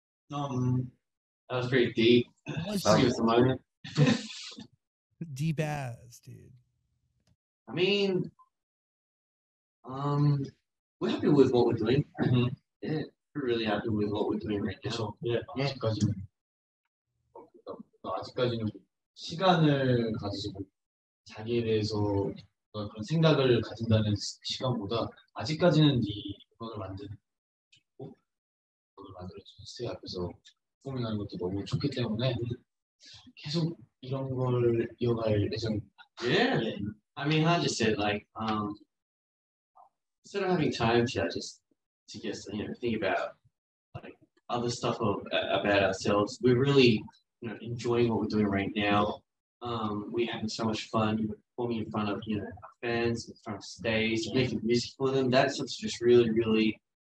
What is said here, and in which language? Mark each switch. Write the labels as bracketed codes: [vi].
[en] That was pretty deep. Give us a moment. Deep ass, dude. I mean, we're happy with what we're doing. Mm-hmm. Yeah, we're really happy with what we're doing right now. Yeah. [ko] 아직까지는 시간을 가지고 자기에 대해서 그런 생각을 가진다는 시간보다 아직까지는 이 곡을 만든 곡을 만들어준 스테이 앞에서 고민하는 것도 너무 좋기 때문에 계속 이런 걸 이어갈 예정입니다. [en] Yeah. I mean, Han just said, like, instead of having time to you know, think about like other stuff about ourselves, we're really, you know, enjoying what we're doing right now. We're having so much fun performing in front of, you know, our fans, in front of stage, making music for them. That stuff's just really, really